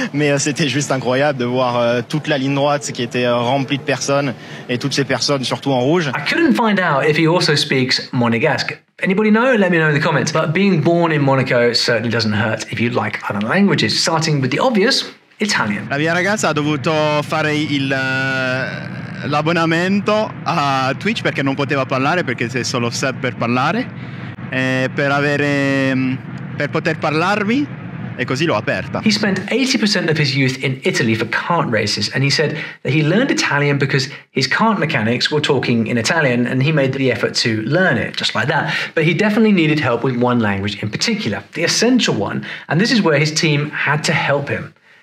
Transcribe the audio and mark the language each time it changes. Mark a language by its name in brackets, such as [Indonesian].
[French] Mais c'était juste incroyable de voir toute la ligne droite qui était remplie de personnes et toutes ces personnes surtout en rouge. [English] I couldn't find out if he also speaks Monégasque. Anybody know? Let me know in the comments. But being born in Monaco certainly doesn't hurt if you like other languages, starting with the obvious, Italian. [Italian] La mia ragazza ha dovuto fare il l'abbonamento a Twitch perché non poteva parlare, perché sei solo sub per parlare, per avere, per poter parlarvi, e così l'ho aperta. [English] He spent 80% of his youth in Italy for kart races, and he said that he learned Italian because his kart mechanics were talking in Italian, and he made the effort to learn it, just like that. But he definitely needed help with one language in particular, the essential one, and this is where his team had to help him.